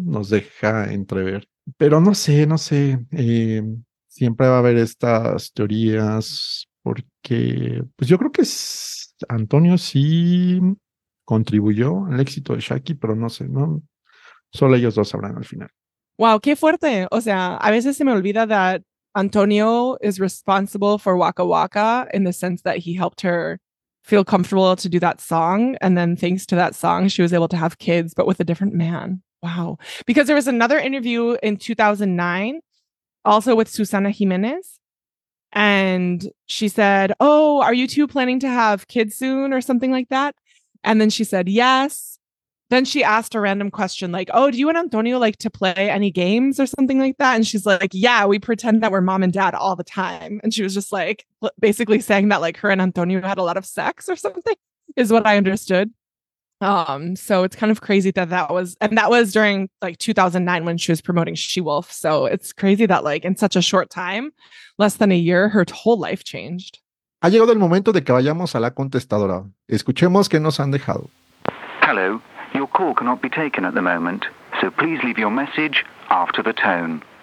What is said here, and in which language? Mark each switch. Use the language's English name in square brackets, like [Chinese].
[Spanish] Nos deja entrever. Pero no sé, no sé. Siempre va a haber estas teorías porque, pues yo creo que Antonio sí contribuyó al éxito de Shaki, pero no sé, ¿no? Solo ellos dos sabrán al final. Wow, qué fuerte. O sea, a veces se me olvida [English] that Antonio is responsible for Waka Waka in the sense that he helped her feel comfortable to do that song. And then thanks to that song, she was able to have kids, but with a different man. Wow. Because there was another interview in 2009, also with Susana Jimenez. And she said, oh, are you two planning to have kids soon or something like that? And then she said, yes. Then she asked a random question like, oh, do you and Antonio like to play any games or something like that? And she's like, yeah, we pretend that we're mom and dad all the time. And she was just like basically saying that like her and Antonio had a lot of sex or something is what I understood. So it's kind of crazy that that was, and that was during like 2009 when she was promoting She-Wolf. So it's crazy that like in such a short time, less than a year, her whole life changed. [Spanish] Ha llegado el momento de que vayamos a la contestadora. Escuchemos qué nos han dejado. [English] Hello, your call cannot be taken at the moment, so please leave your message after the tone.